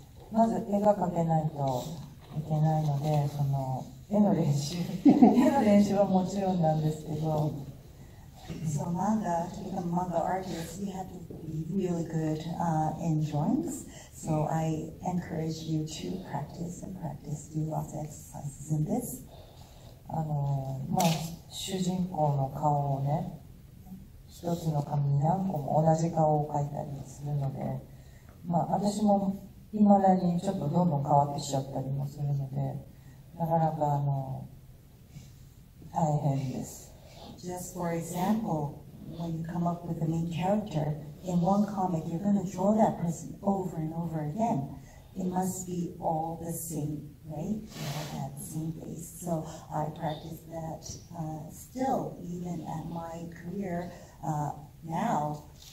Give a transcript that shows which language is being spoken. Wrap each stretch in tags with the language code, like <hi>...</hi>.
<ja>まず絵が描けないといけないので、その絵の練習、絵の練習はもちろんなんですけど、</ja> <en>So manga, to become manga artist, you have to be really good in drawings. So I encourage you to practice and practice. Do lots of exercises in this.</en> <ja>まあ主人公の顔をね、一つの紙に何個も同じ顔を描いたりするので、まあ私も。未だにちょっとどんどん変わってきちゃったりもするので、なかなか大変です。</ja> <en>Just for example, when you come up with a main character in one comic, you're going to draw that person over and over again. It must be all the same, right? You have the same face. So I practice that still, even at my career now.</en>